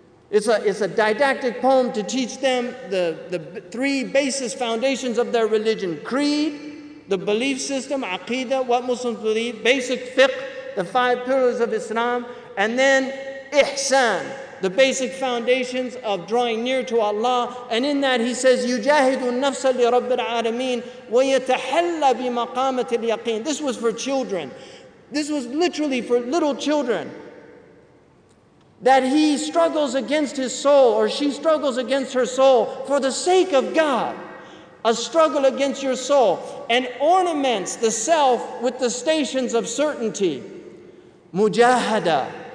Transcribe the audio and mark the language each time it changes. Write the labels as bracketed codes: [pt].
[en] It's a didactic poem to teach them the three basis foundations of their religion. Creed, the belief system, aqidah, what Muslims believe. Basic fiqh, the five pillars of Islam. And then ihsan, the basic foundations of drawing near to Allah. And in that he says, [ar] يُجَاهِدُ النَّفْسَ لِرَبِّ الْعَالَمِينَ وَيَتَحَلَّ بِمَقَامَةِ الْيَقِينَ. [en] This was for children. This was literally for little children. That he struggles against his soul, or she struggles against her soul for the sake of God. A struggle against your soul, and ornaments the self with the stations of certainty. Mujahada.